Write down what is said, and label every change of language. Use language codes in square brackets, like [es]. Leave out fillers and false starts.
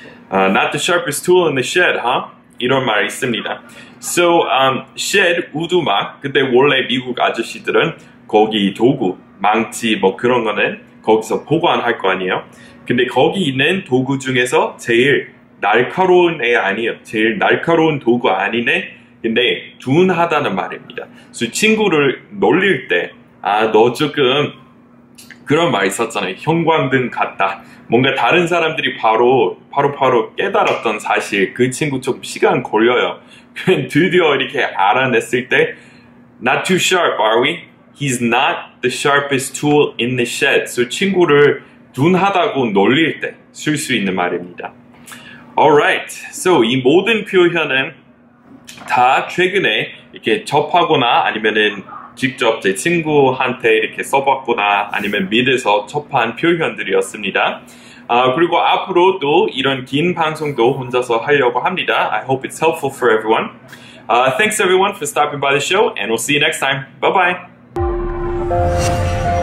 [en] Not the sharpest tool in the shed, huh? [ko] 이런 말이 있습니다. So shed 우두막. 근데 원래 미국 아저씨들은 거기 도구, 망치 뭐 그런 거는 거기서 보관할 거 아니에요. 근데 거기 있는 도구 중에서 제일 날카로운 애 아니에요. 제일 날카로운 도구 아니네. 근데 둔하다는 말입니다. 그래서 친구를 놀릴 때 아, 너 조금 그런 말 있었잖아요. 형광등 같다. 뭔가 다른 사람들이 바로 깨달았던 사실 그 친구 조금 시간 걸려요. 드디어 이렇게 알아냈을 때 [en] Not too sharp, are we? He's not the sharpest tool in the shed. [ko] So 친구를 둔하다고 놀릴 때 쓸 수 있는 말입니다. Alright, so 이 모든 표현은 다 최근에 이렇게 접하거나 아니면은 직접 제 친구한테 이렇게 써봤거나 아니면 믿어서 접한 표현들이었습니다. 그리고 앞으로 또 이런 긴 방송도 혼자서 하려고 합니다. [en] I hope it's helpful for everyone. Thanks everyone for stopping by the show and we'll see you next time. Bye bye. Thank you.